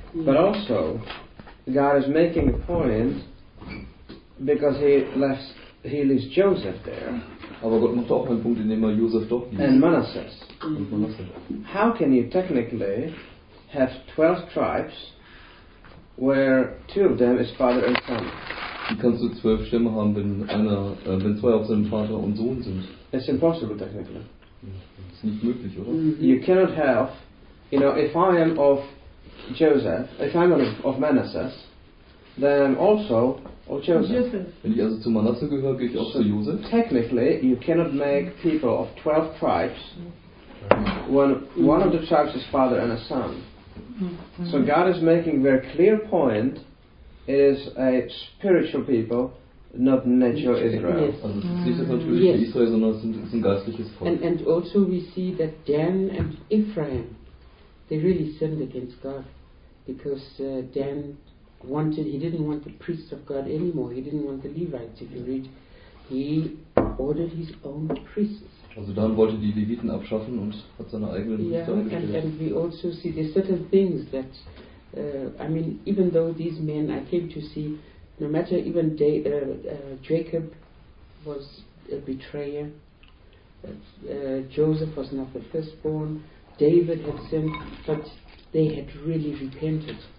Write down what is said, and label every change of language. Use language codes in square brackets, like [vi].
[en] But also, God is making a point because he leaves Joseph there. [de] Aber Gott macht auch einen Punkt, indem er Joseph doch ließ. [en] And Manasseh. [de] Und Manasseh. [en] How can you technically have 12 tribes where two of them is father and son? [de] Wie kannst du 12 Stämme haben, wenn zwei auf seinem Vater und Sohn sind? [en] It's impossible, technically. [de] Das ist nicht möglich, oder? [en] You cannot have, you know, if I am of Joseph, if I'm of Manasseh, then I'm also of Joseph. [de] Wenn ich also zu Manasseh gehöre, gehe ich auch zu Joseph. [en] Technically, you cannot make people of 12 tribes when one of the tribes is father and a son. So God is making a very clear point. It is a spiritual people, not natural Israel. Yes. And also we see that Dan and Ephraim, they really sinned against God, because Dan wanted, he didn't want the priests of God anymore. He didn't want the Levites. If you read, he ordered his own priests. [de] Also Dan wollte die Leviten abschaffen und hat seine eigenen Priester eingestellt. [en] Yeah, and we also see there are certain things that. I mean, even though these men I came to see, no matter even Jacob was a betrayer, Joseph was not the firstborn, David had sinned, but they had really repented.